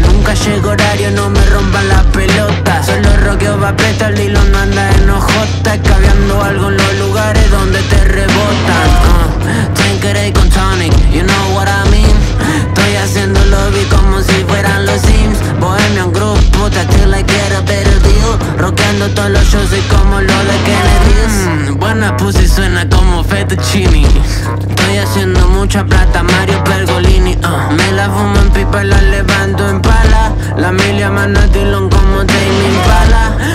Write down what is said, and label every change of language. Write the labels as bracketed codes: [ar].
[es] Nunca llego horario, no me rompan la pelota. Solo roqueo va preto, el hilo no anda en OJ. Cabeando algo en los lugares donde te rebotan. Tanqueray con tonic, [en] you know what I mean. [es] Estoy haciendo lobby como si fueran los Sims. [en] Bohemian group, puta, still I get a better deal. [es] Roqueando todos los shows, soy como lo de Kennedy. Buena pussy, suena como fettuccini. Estoy haciendo mucha plata, Mario Pergolini. Me la fumo en pipa, la levanto en pala. La milia manda Dylan como Damien Pala.